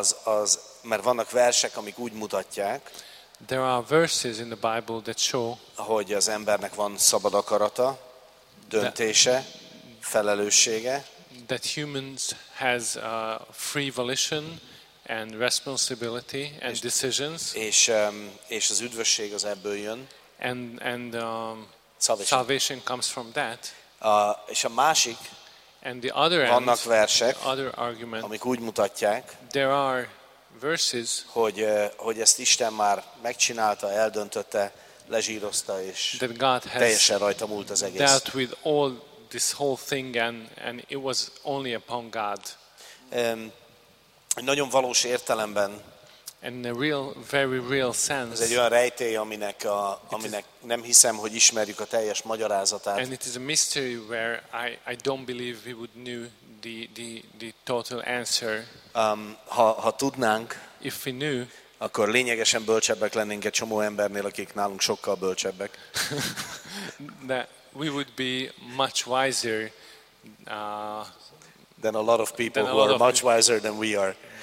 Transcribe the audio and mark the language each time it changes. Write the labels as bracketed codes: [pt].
[hu] Az mert vannak versek, amik úgy mutatják. [en] There are verses in the Bible that show. [hu] Hogy az embernek van szabad akarata, döntése, felelőssége. [en] That humans has a free volition and responsibility and decisions. [hu] És az üdvösség az ebből jön. [en] And salvation comes from that. [hu] És a másik. [en] And the other end, [hu] vannak versek, [en] the other argument, [hu] amik úgy mutatják, [en] there are verses, [hu] hogy ezt Isten már megcsinálta, eldöntötte, lezsírozta, és teljesen rajta múlt az egész. [en] Dealt with all this whole thing and it was only upon God. [hu] Nagyon valós értelemben. [en] And in a real, very real sense. [hu] Ez egy olyan rejtély, aminek nem hiszem, hogy ismerjük a teljes magyarázatát. [en] And it is a mystery where I don't believe we would know the total answer. [hu] Ha tudnánk, [en] if we knew, [hu] akkor lényegesen bölcsebbek lennénk egy csomó embernél, akik nálunk sokkal bölcsebbek. [en] That we would be much wiser than a lot of people who are much wiser than we are.